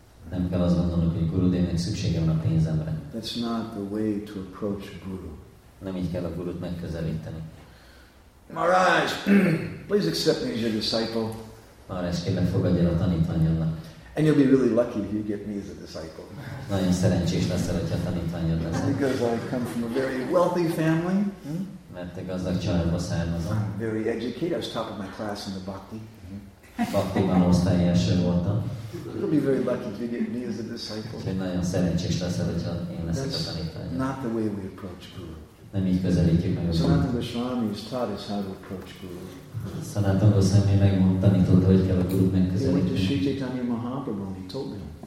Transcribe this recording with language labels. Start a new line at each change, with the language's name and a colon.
Hungarian: Nem kell azt gondolnunk, hogy Gurudevnek szüksége van a pénzemre.
English: That's not the way to approach Guru.
Hungarian: Nem így kell a Gurut megközelíteni.
English: Maharaj, please accept me as your disciple.
Hungarian: Maharaj, kérlek fogadjál a tanítványodnak.
English: And you'll be really lucky if you get me as a disciple.
Hungarian: Nagyon szerencsés leszel, hogyha tanítványod leszel.
English: Because I come from a very wealthy family.
Hungarian: Mert te gazdag családba származom.
English: I'm very educated. I was top of my class in the bhakti.
Hungarian: Bhaktiban osztály első voltam.
English: You'll be very lucky if you get me as a disciple.
Hungarian: Nagyon szerencsés leszel, hogyha én leszek a tanítványod.
English: Not the way we approach Guru.
Hungarian: Nem így közelítjük meg a Guru.
English: Sanatana Goswami has taught us how to approach Guru.
Hungarian: Sanatana Goswami tanította, hogy kell a Guru megközelíteni.
English: He went to Sri Chaitanya Mahaprabhu and he told me.